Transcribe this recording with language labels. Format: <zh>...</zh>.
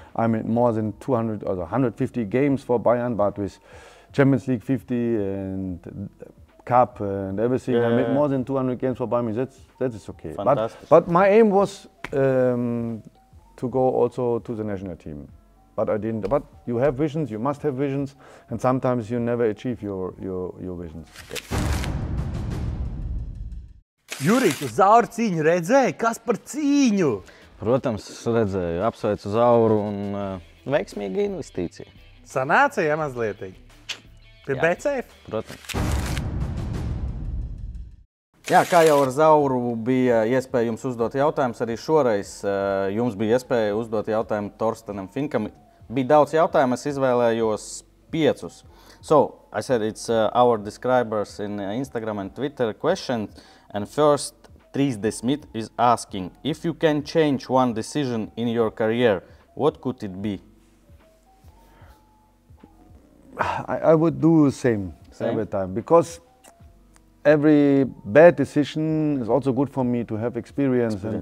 <en>I mean, more than 150 games for Bayern, but with Champions League 50 and Cup and everything. Yeah. I made more than 200 games for Bayern Munich. That is okay. Fantastic. But my aim was to go also to the national team. But I didn't. But you have visions, you must have visions, and sometimes you never achieve your visions.</en> <lv>Jurijs, tu zauru cīņu redzēji? Kas par cīņu? Protams, redzēju. Apsveicu zauru un veiksmīgu investīciju. Sanāca, ja mazlietiņ? Pie BCF? Protams. Jā, kā jau ar Zauru bija iespēja jums uzdot jautājumus, arī šoreiz jums bija iespēja uzdot jautājumu Torstenam Finkam. Bija daudz jautājumu, es izvēlējos piecus.</lv> <en>So, I said it's our describers in Instagram and Twitter questions, and first 30 is asking, if you can change one decision in your career, what could it be? I would do the same every time, because every bad decision is also good for me to have experience.</en>